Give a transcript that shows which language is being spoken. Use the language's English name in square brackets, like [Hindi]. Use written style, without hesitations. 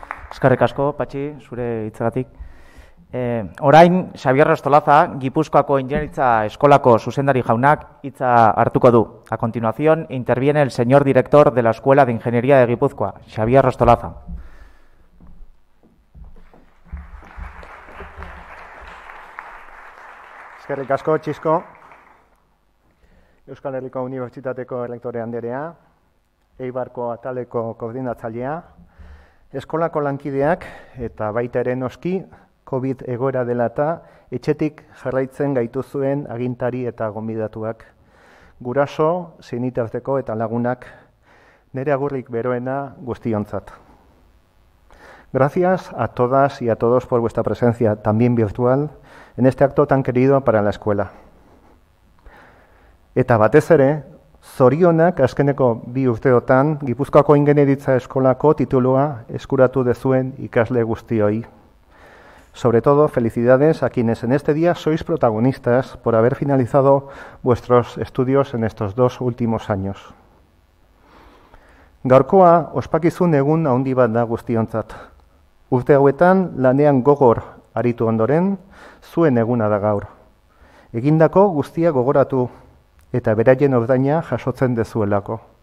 [Basque] Eskerrik asko, Patxi, zure hitzagatik. Orain, Xabier Ostolaza, Gipuzkoako Ingenieritza Eskolako zuzendari jaunak hitza hartuko du. [Spanish] A continuación, interviene el señor director de la Escuela de Ingeniería de Gipuzkoa, Xabier Ostolaza. [Basque] Eskerrik asko, Txisko. Euskal Herriko Unibertsitateko Errektore Anderea, Eibarko Ataleko Koordinatzailea, eskolako lankideak eta baita ere noski, COVID egoera dela eta etxetik jarraitzen gaituzuen agintari eta gonbidatuak. Guraso, senitarteko eta lagunak, nire agurrik beroena guztiontzat. [Spanish] Gracias a todas y a todos por vuestra presencia, también virtual, en este acto tan querido para la escuela. [Basque] Eta batez ere, zorionak azkeneko bi urteotan Gipuzkoako Ingeniaritza Eskolako titulua eskuratu dezuen ikasle guztioi. [Spanish] Sobre todo, felicidades a quienes en este día sois protagonistas por haber finalizado vuestros estudios en estos dos últimos años. [Basque] Gaurkoa, ospakizun egun handi bat da guztiontzat. Urte hauetan, lanean gogor aritu ondoren, zuen eguna da gaur. Egindako guztia gogoratu eta beraien ordaina jasotzen dezuelako.